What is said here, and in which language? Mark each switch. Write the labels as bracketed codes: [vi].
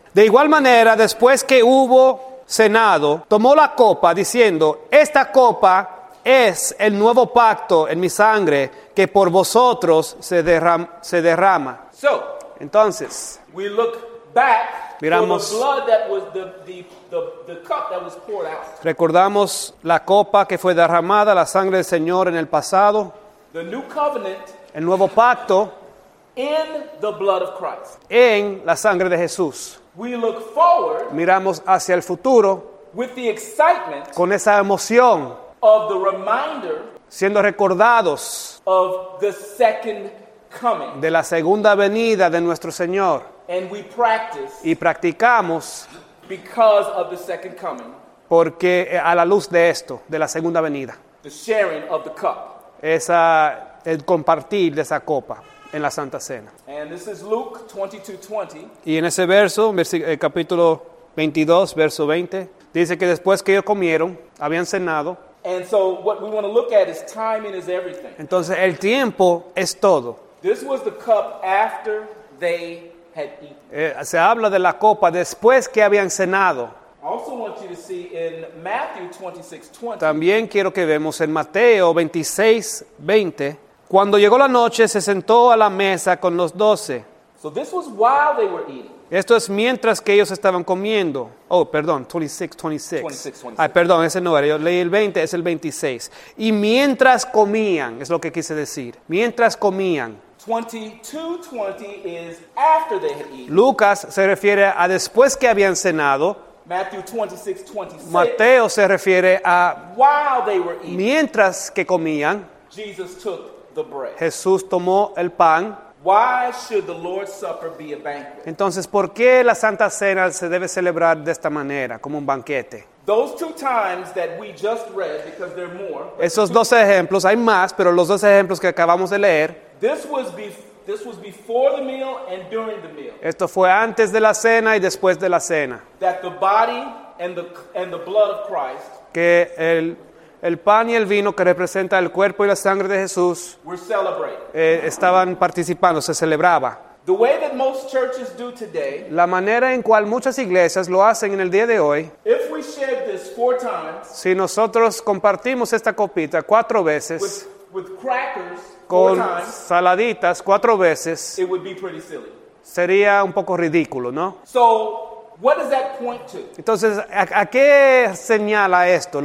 [es] De igual manera, después que hubo cenado, tomó la copa diciendo, esta copa es el nuevo pacto en mi sangre que por vosotros se derrama. [en] So, [es] entonces, [en] we look back, [es] miramos, [en] the blood that was the cup that was poured out. [es] Recordamos la copa que fue derramada, la sangre del Señor en el pasado. [en] The new covenant, [es] el nuevo pacto. [en] In the blood of Christ. [es] En la sangre de Jesús. [en] We look forward. [es] Miramos hacia el futuro. [en] With the excitement. [es] Con esa emoción. [en] Of the reminder. [es] Siendo recordados. [en] Of the second coming. [es] De la segunda venida de nuestro Señor. [en] And we practice. [es] Y practicamos. [en] Because of the second coming. [es] Porque a la luz de esto, de la segunda venida. [en] The sharing of the cup. [es] Esa, el compartir de esa copa. En la Santa Cena. [en] And this is Luke 22:20. [es] Y en ese verso, capítulo 22, verso 20, dice que después que ellos comieron, habían cenado. [en] And so what we want to look at is timing is everything. [es] Entonces el tiempo es todo. [en] This was the cup after they had eaten. [es] Se habla de la copa después que habían cenado. [en] I also want you to see in Matthew 26:20. [es] También quiero que vemos en Mateo 26:20. Cuando llegó la noche, se sentó a la mesa con los doce. [en] So this was while they were eating. [es] Esto es mientras que ellos estaban comiendo. Oh, perdón, 26:26. Ay, perdón, ese no era. Yo leí el 20, es el 26. Y mientras comían, es lo que quise decir. Mientras comían. [en] 22:20 is after they had eaten. [es] Lucas se refiere a después que habían cenado. [en] Matthew 26:26. [es] Mateo se refiere a [en] while they were eating. [es] Mientras que comían. [en] Jesus took the bread. [es] Jesús tomó el pan. [en] Why should the Lord's Supper be a banquet? [es] Entonces, ¿por qué la Santa Cena se debe celebrar de esta manera, como un banquete? [en] Those two times that we just read, because there are more. [es] Esos dos ejemplos, hay más, pero los dos ejemplos que acabamos de leer. [en] This was before the meal and during the meal. [es] Esto fue antes de la cena y después de la cena. [en] That the body and the blood of Christ. [es] Que el pan y el vino que representa el cuerpo y la sangre de Jesús estaban participando, se celebraba. [en] The way that most churches do today, [es] la manera en cual muchas iglesias lo hacen en el día de hoy, [en] if we shared this four times, [es] si nosotros compartimos esta copita cuatro veces [en] with crackers, [es] con [en] four times, [es] saladitas cuatro veces, [en] it would be pretty silly. [es] Sería un poco ridículo, ¿no? [en] So, what does that point to? [es] Entonces, ¿a qué señala esto?